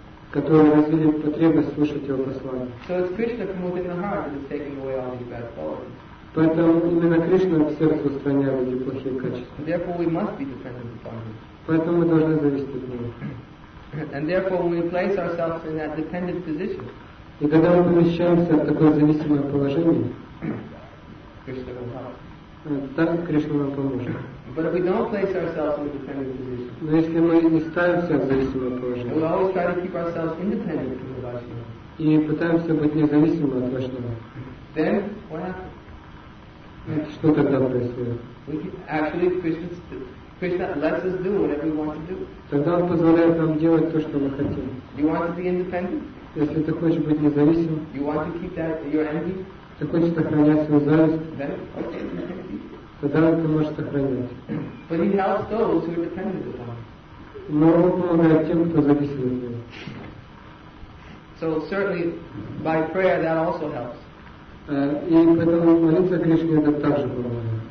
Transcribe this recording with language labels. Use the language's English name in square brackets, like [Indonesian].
[Russian] которые развили потребность слышать его послание. [English] So it's Krishna from within the heart that is taking away all these bad qualities. [Russian] Поэтому именно Кришна в сердце устраняет эти плохие качества. [English] Therefore we must be dependent upon him. [Russian] Поэтому мы должны зависеть от него. [English] And therefore when we place ourselves in that dependent position, [Russian] и когда мы помещаемся в такое зависимое положение, [English] Krishna will help. [Russian] Так Кришна нам поможет. [English] But if we don't place ourselves in a dependent position, [Russian] но если мы не ставим себя в зависимое положение, [English] we'll always try to keep ourselves independent from the Vaishnava. [Russian] И пытаемся быть независимыми от Vaishnava. [English] Then what happens? [Russian] Что тогда происходит? [English] Actually, Krishna lets us do whatever we want to do. [Russian] Тогда он позволяет нам делать то, что мы хотим. [English] You want to be independent? [Russian] Если ты хочешь быть независимым, [English] you want to keep that your envy? [Russian] Ты хочешь сохранять свою зависть? [English] Then, okay. [Russian] Тогда ты можешь сохранять. [English] But he helps those who are dependent upon. [Russian] Но он помогает тем, кто зависит от него. [English] So certainly by prayer that also helps. [Russian] И поэтому молиться Кришне это также помогает.